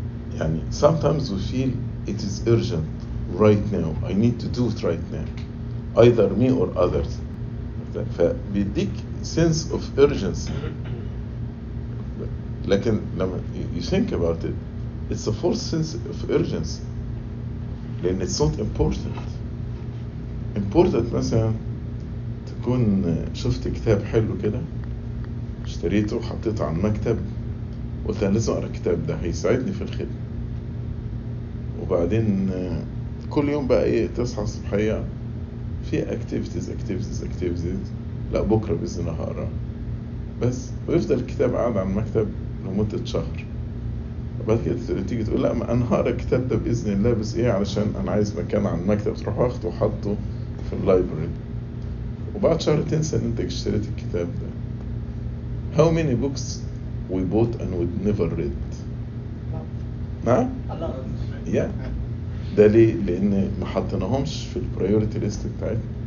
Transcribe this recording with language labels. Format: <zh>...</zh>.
<en>Yani, sometimes we feel it is urgent right now. I need to do it right now, either me or others. The big sense of urgency. Like, you think about it, it's a false sense of urgency. Then it's not important.</en> <ar>Important, مثلا تكون شفت كتاب حلو كده اشتريته وحطيته على المكتب وقلت انا لازم اقرا الكتاب ده هيساعدني في الخدمة. وبعدين كل يوم بقى ايه تصحى الصبحية في activities لا بكرة بإذن الله هقرا بس ويفضل الكتاب قاعد على المكتب لمدة شهر. بعد كده تيجي تقول لا ما انا هقرا الكتاب ده بإذن الله بس ايه علشان انا عايز مكان على المكتب تروح واخده وحطه في اللايبرري وبعد شهر تنسى ان انت اشتريت الكتاب ده.</ar> <en>How many books we bought and would never read?</en> <ar>نعم؟ Yeah. ده ليه؟ لان ما حطيناهمش في البريوريتي ليست بتاعتنا.</ar>